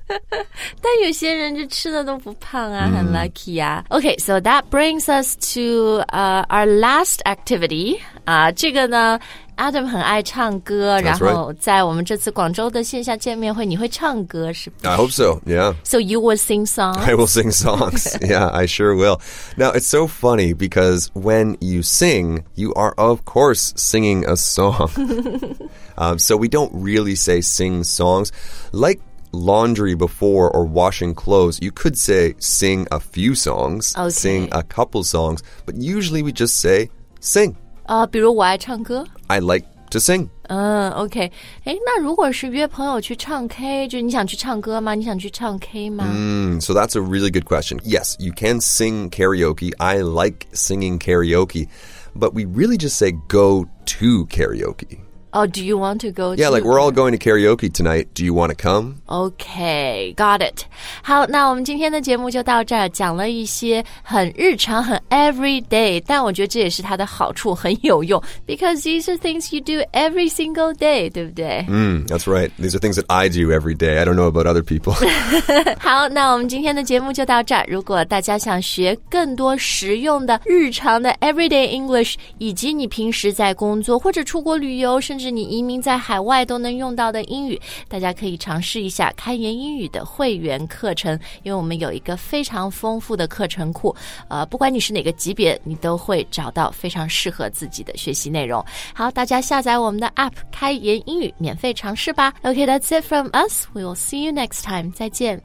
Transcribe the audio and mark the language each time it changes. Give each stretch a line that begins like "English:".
Chinese: 但有些人就吃的都不胖啊、mm. 很 lucky 啊
English: Okay, so that brings us to、our last activity.、
Chinese: 这个呢 Adam 很爱唱歌、
English: That's、
Chinese: 然后、
English: right.
Chinese: 在我们这次广州的线下见面会你会唱歌是不是
English: I hope so, yeah. So you will sing songs? I will sing songs, yeah, I sure will. Now, it's so funny because when you sing, you are of course singing a song. 、so we don't really say sing songs. Like,laundry before or washing clothes, you could say sing a few songs,、 okay. sing a couple songs, but usually we just say sing.
Chinese: 比如我爱唱歌。
English: I like to sing. OK.
Chinese: 那如果是约朋友去唱 K, 就你想去唱歌吗你想去唱 K 吗、
English: So that's a really good question. Yes, you can sing karaoke. I like singing karaoke, but we really just say go to karaoke. Oh, do you want to go Yeah, to... like we're all going to karaoke tonight. Do you want to come? Okay, got it.
Chinese: 好，那我们今天的节目就到这儿，讲了一些很日常，很 everyday, 但我觉得这也是它的好处，很有用。
English: Because these are things you do every single day,
Chinese: 对不对？
English: That's right. These are things that I do every day. I don't know about other people.
Chinese: 好，那我们今天的节目就到这儿。如果大家想学更多实用的日常的 everyday English, 以及你平时在工作或者出国旅游甚至你移民在海外都能用到的英语大家可以尝试一下开言英语的会员课程因为我们有一个非常丰富的课程库、不管你是哪个级别你都会找到非常适合自己的学习内容好大家下载我们的 APP 开言英语免费尝试吧
English: OK, that's it from us We will see you next time
Chinese: 再见